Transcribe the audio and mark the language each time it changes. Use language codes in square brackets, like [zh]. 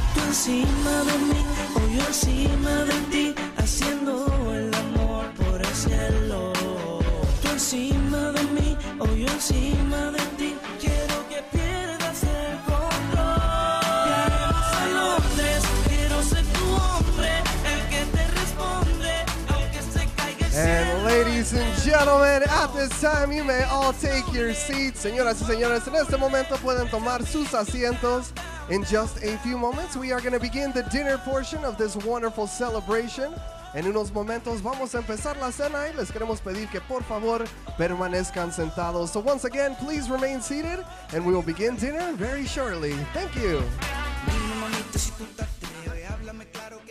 [es] Tú encima de mí, o yo encima de ti, haciendo el amor por el cielo. Tú encima de mí, o yo encima de ti, quiero que pierdas el control. Queremos a Londres, quiero ser tu hombre, el que te responde, aunque se caiga el cielo. [en] And ladies and gentlemen, at this time you may all take your seats. [es] Señoras y señores, en este momento pueden tomar sus asientos. [en] In just a few moments, we are going to begin the dinner portion of this wonderful celebration. [es] En unos momentos, vamos a empezar la cena y les queremos pedir que, por favor, permanezcan sentados. [en] So once again, please remain seated, and we will begin dinner very shortly. Thank you.